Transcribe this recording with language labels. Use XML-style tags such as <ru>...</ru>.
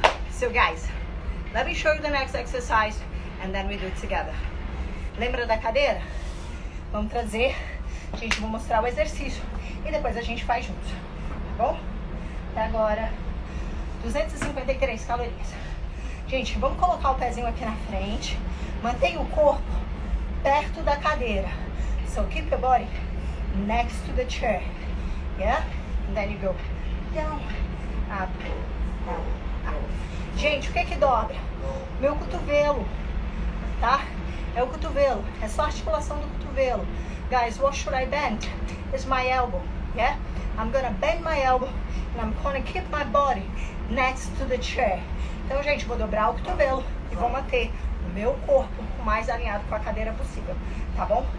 <en>So guys, let me show you the next exercise and then we do it together.</en> <pt>Lembra da cadeira? Vamos trazer, a gente vai mostrar o exercício e depois a gente faz junto, tá bom? Até agora, 253 calorias. Gente, vamos colocar o pezinho aqui na frente. Mantém o corpo perto da cadeira.</pt> <en>So keep your body next to the chair. Yeah? And then you go down, up, up, up.</en> <pt>Gente, o que é que dobra? Meu cotovelo, tá? É o cotovelo, é só a articulação do cotovelo.</pt> <en>Guys, what should I bend? It's my elbow, yeah? I'm gonna bend my elbow and I'm gonna keep my body next to the chair.</en> <pt>Então, gente, vou dobrar o cotovelo e vou manter o meu corpo o mais alinhado com a cadeira possível, tá bom?</pt>